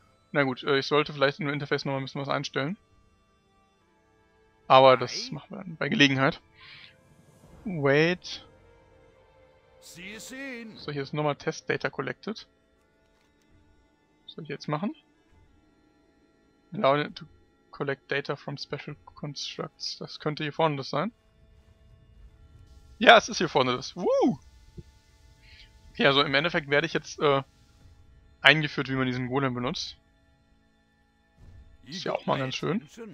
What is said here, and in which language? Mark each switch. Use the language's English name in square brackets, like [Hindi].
[German] Na gut, ich sollte vielleicht im Interface nochmal ein bisschen was einstellen. Aber das machen wir dann bei Gelegenheit. [English] Wait. [German] So, hier ist nochmal Test Data Collected. Was soll ich jetzt machen? [English] Allow to collect data from special constructs. [German] Das könnte hier vorne das sein. Ja, es ist hier vorne das. Woo! Okay, also im Endeffekt werde ich jetzt eingeführt, wie man diesen Golem benutzt. Ist ja auch mal ganz schön.